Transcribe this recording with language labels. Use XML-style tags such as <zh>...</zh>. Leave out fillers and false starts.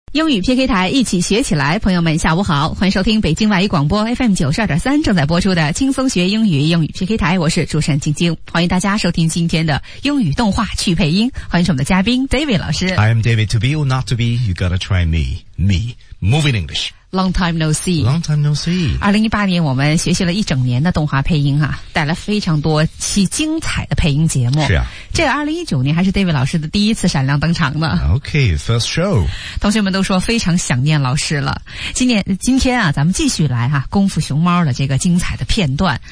<zh>英语 PK 台一起学起来，朋友们下午好，欢迎收听北京外语广播 FM92.3 正在播出的轻松学英语英语 PK 台，我是主持人晶晶，欢迎大家收听今天的英语动画去配音，欢迎我们的嘉宾 David 老师。</zh> <en>I am David, to be or not to be, you gotta try me, me, moving English. Long time no see. Long time no see.</en> <zh>2018年我们学习了一整年的动画配音啊，带来非常多期精彩的配音节目。是啊。这个2019年还是 David 老师的第一次闪亮登场呢。</zh> <en>Okay, first show.</en> <zh>同学们都说非常想念老师了。今天啊咱们继续来啊功夫熊猫的这个精彩的片段。</zh>